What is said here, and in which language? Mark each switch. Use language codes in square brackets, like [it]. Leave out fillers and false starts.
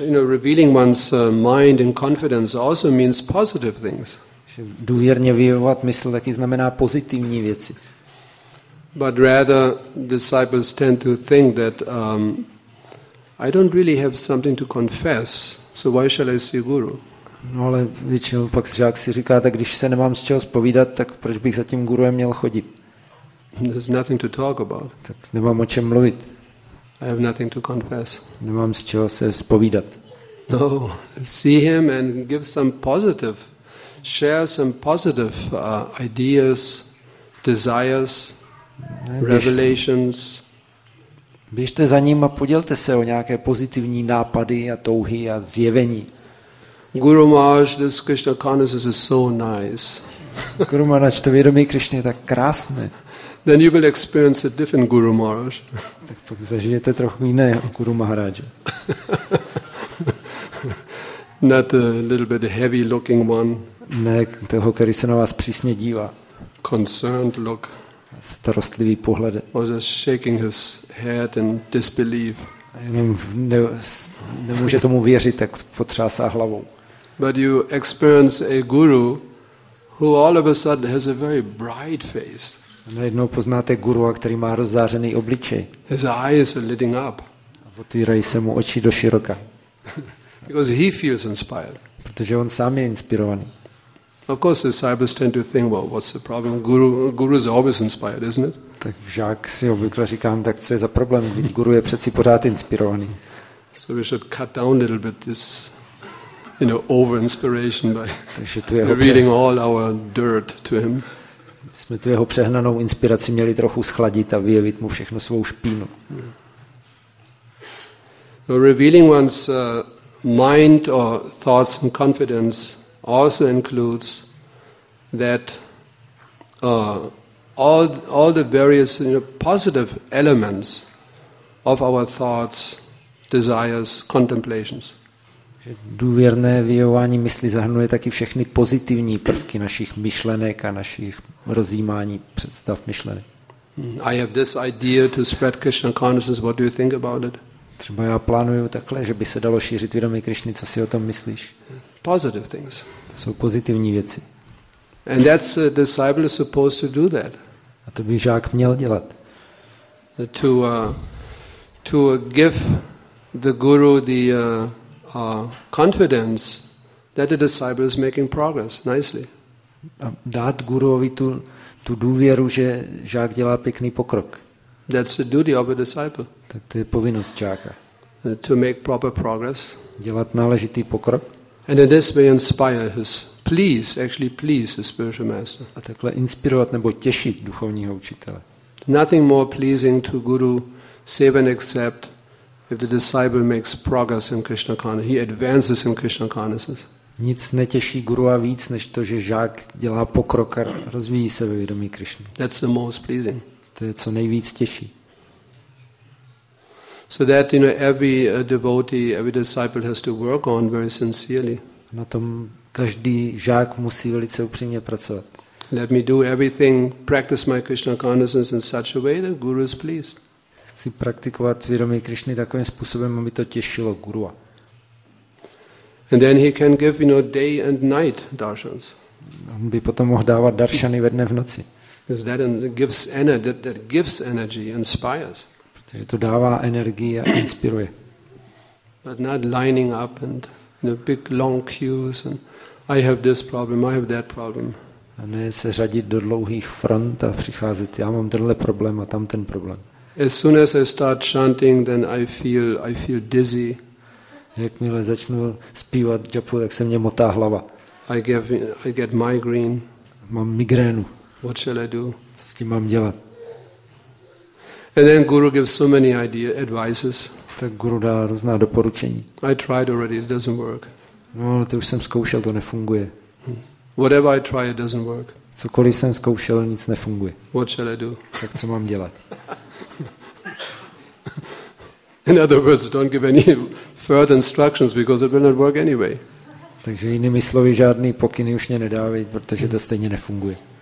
[en] Revealing one's mind and confidence also means positive things. [cs] Důvěrně vyjevovat mysl taky znamená pozitivní věci. [en] But rather disciples tend to think that I don't really have something to confess, so why shall I see guru? [cs] No ale většinou pak žák si říká, tak když se nemám z čeho zpovídat, tak proč bych za tím guruem měl chodit? [en] There's nothing to talk about. [cs] Tak nemám o čem mluvit. [en] I have nothing to confess. [cs] Nemám z čeho se zpovídat. [en] No, see him and give some positive, share some positive ideas, desires, revelations. [cs] Běžte za ním a podělte se o nějaké pozitivní nápady a touhy a zjevení. [en] Guru Maharaj, this Krishna consciousness is so nice. [cs] Guru Maharaj, to vědomí Krishna je tak krásné. [en] Then you will experience a different Guru Maharaj. [cs] Tak pak zažijete trochu jiného Guru Maharaja. [en] Not a little bit heavy looking one. [cs] Ne, toho, který se na vás přísně dívá. [en] Concerned look. [cs] Starostlivý pohled. [en] Or just shaking his head in disbelief. [cs] jenom nemůže tomu věřit, tak potřásá hlavou. [en] But you experience a guru who all of a sudden has a very bright face. [cs] A najednou poznáte gurua, který má rozzářený obličej. [en] His eyes are lighting up. [cs] A otvírají se mu oči do široka. [en] Because he feels inspired. [cs] Protože on sám je inspirovaný. [en] Of course, the disciples tend to think, well, what's the problem? Guru is always inspired, isn't it? [cs] Tak žák si obvykle říkám, tak co je za problém? Guru je přeci pořád inspirovaný. [en] So we should cut down a little bit this, you know, over-inspiration by revealing all our dirt to him. [cs] My jsme tu jeho přehnanou inspiraci měli trochu schladit a vyjevit mu všechno svou špínu. [en] Revealing one's mind or thoughts and confidence also includes that all the various, you know, positive elements of our thoughts, desires, contemplations. [cs] Důvěrné vyjevování mysli zahrnuje taky všechny pozitivní prvky našich myšlenek a našich rozjímání představ myšlenek. [en] I have this idea to spread Krishna consciousness. What do you think about it? [cs] Třeba já plánuju takhle, že by se dalo šířit vědomí Krišny. Co si o tom myslíš? [en] Positive things. [cs] To jsou pozitivní věci. [en] And that's a disciple supposed to do that. [cs] A to by žák měl dělat. [en] To give the guru the confidence that the disciple is making progress nicely. [cs] A dát guruovi tu důvěru, že žák dělá pěkný pokrok. [en] That's the duty of a disciple. [cs] Tak to je povinnost žáka. [en] To make proper progress. [cs] Dělat náležitý pokrok. [en] And in this way inspire his, please, actually please his spiritual master. [cs] A takhle inspirovat nebo těšit duchovního učitele. [en] Nothing more pleasing to guru save and except if the disciple makes progress in Krishna consciousness. He advances in Krishna consciousness. [cs] Nic netěší gurua víc, než to, že žák dělá pokrok a rozvíjí se ve vědomí Krišny. [en] That's the most pleasing. [cs] To je co nejvíc těší. [en] So that, you know, every devotee, every disciple has to work on very sincerely. [cs] Na tom každý žák musí velice upřímně pracovat. [en] Let me do everything, practice my Krishna consciousness in such a way that guru is pleased. [cs] Chci praktikovat vědomí Krišny takovým způsobem, aby to těšilo gurua. [en] And then he can give, you know, day and night darshans. [cs] On by potom mohl dávat darshany ve dne v noci. [en] Because that gives energy, that gives energy, inspires. [cs] Protože to dává energii a inspiruje. [en] But not lining up and in a big long queues and I have this problem, I have that problem. [cs] A ne se řadit do dlouhých front a přicházet, já mám tenhle problém a tam ten problém. [en] As soon as I start chanting, then I feel dizzy. [cs] Jakmile začnu zpívat japu, tak se mě motá hlava. [en] I get migraine. [cs] Mám migrénu. [en] What shall I do? [cs] Co s tím mám dělat? [en] And then guru gives so many ideas, advices. [cs] Tak guru dá různá doporučení. [en] I tried already, it doesn't work. [cs] No, to už jsem zkoušel, to nefunguje. [en] Whatever I try, it doesn't work. [cs] Cokoliv jsem zkoušel, nic nefunguje. [en] What shall I do? [cs] Tak co mám dělat? [en] In other words, don't give any further instructions because it will not work anyway. [cs] Takže jinými slovy, žádný pokyny už mě nedávej, protože to stejně nefunguje.